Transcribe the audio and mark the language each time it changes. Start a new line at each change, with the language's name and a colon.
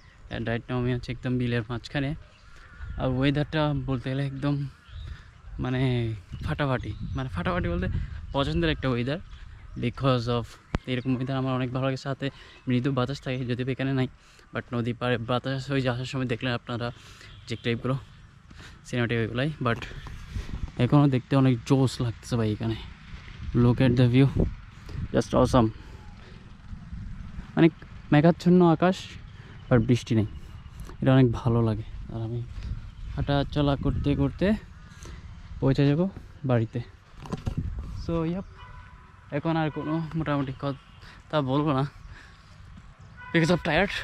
English: and right now
Bangla: আমি আছি একদম বিলের মাঝখানে, আর ওয়েদারটা বলতে গেলে একদম মানে ফাটাফাটি, মানে ফাটাফাটি বলতে পছন্দের একটা ওয়েদার,
English: because of
Bangla: এরকম ওয়েদার আমার অনেক ভালো লাগে। সাথে মৃদু বাতাস থাকে, যদিও এখানে নাই, বাট নদী পাড়ে বাতাস হয়ে আসার সময় দেখলেন আপনারা যে টাইপগুলো সিনেমাটিক ওইগুলাই, বাট এখনও দেখতে অনেক জোশ লাগতেছে ভাই এখানে।
English: Look at the view, just awesome.
Bangla: মানে মেঘাচ্ছন্ন আকাশ, বাট বৃষ্টি নেই, এটা অনেক ভালো লাগে। আর আমি হাঁটা চলা করতে করতে পৌঁছে যাবো বাড়িতে।
English: so yup,
Bangla: এখন আর কোনো মোটামুটি কথা বলবো না,
English: Because of tired.